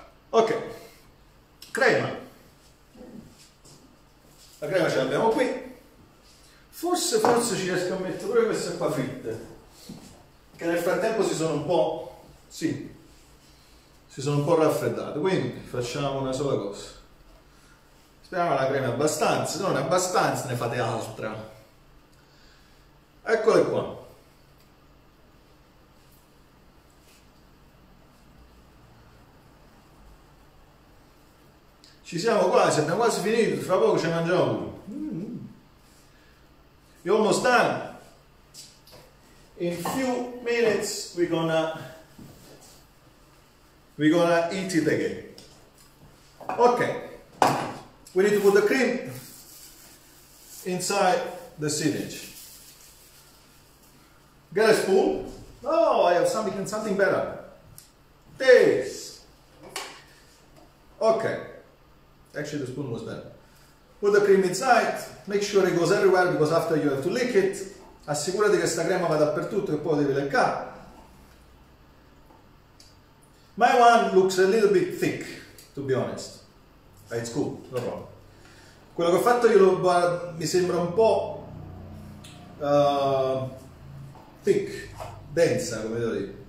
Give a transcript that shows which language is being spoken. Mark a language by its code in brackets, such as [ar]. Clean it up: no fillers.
[it] Ok, crema, la crema ce l'abbiamo qui, forse ci riesco a mettere pure queste qua fritte, che nel frattempo si sono un po' raffreddate, quindi facciamo una sola cosa, speriamo la crema abbastanza, se non è abbastanza ne fate altra, eccole qua. Ci siamo quasi, abbiamo quasi finito, fra poco ce ne mangiamo uno. [en] You're almost done. In few minutes we're gonna eat it again. Ok, we need to put the cream inside the sausage. Get a spoon. Oh, I have something better. This. Ok. Actually, the spoon was better. Put the cream inside, make sure it goes everywhere because after you have to lick it. [it] Assicurati che sta crema vada dappertutto e poi devi leccare. [en] My one looks a little bit thick, to be honest. But it's cool, no problem. [it] Quello che ho fatto io mi sembra un po' thick, densa, come devo dire.